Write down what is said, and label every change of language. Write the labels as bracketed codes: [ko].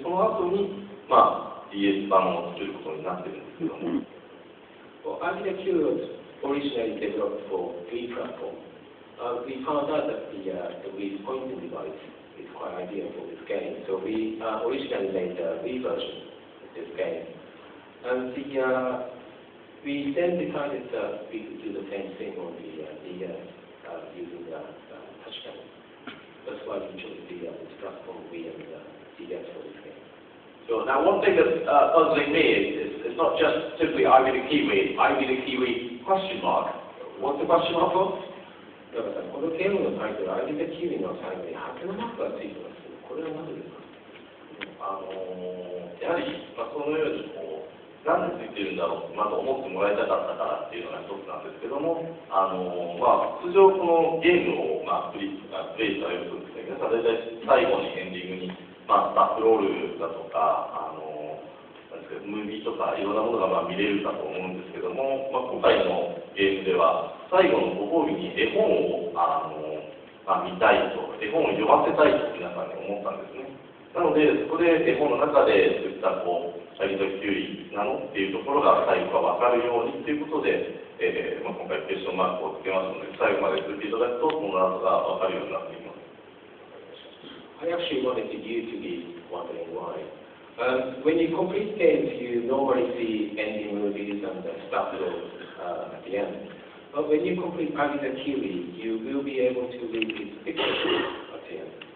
[ja] で、その後に、まあ、DS 版を作ることになってるんですけども。 [en] Ivy the Kiwi was originally developed for Wii platform. We found out that the Wii pointing device is quite ideal for this game, so we originally made the Wii version of this game. And we then decided that we could do the same thing on the DS using the touchpad. That's why we chose the platform Wii and the DS for this game. So now one thing that's puzzling me is it's not just simply Ivy the Kiwi, Ivy the Kiwi question mark. What's the question mark for? [ja] このゲームのタイトル、アイビーザキウイのタイトルにハテナマークがついてますけど、これはなぜですか？やはり、まあ、そのようにこう、なんでついてるんだろうと、まず思ってもらいたかったからっていうのが一つなんですけども、まあ、通常、このゲームを、まあ、プレイされるときに、大体最後にエンディングに、まあ、スタッフロールだとか、なんですか、ムービーとか、いろんなものが、まあ、見れるかと思うんですけども、まあ、今回のゲームでは、最後のご褒美に絵本を見たいと、絵本を読ませたいと皆さんに思ったんですね。なので、そこで絵本の中で作った、こう、アイビーザキウイなのっていうところが最後が分かるようにということで、まあ、今回クエスチョンマークをつけますので、最後まで作っていただくと、その後が分かるようになっています。 [en] I actually wanted you to be wondering why. When you complete games, you normally see ending movies and the stuff at the end. But when you complete Ivy the Kiwi, you will be able to read this picture at the end.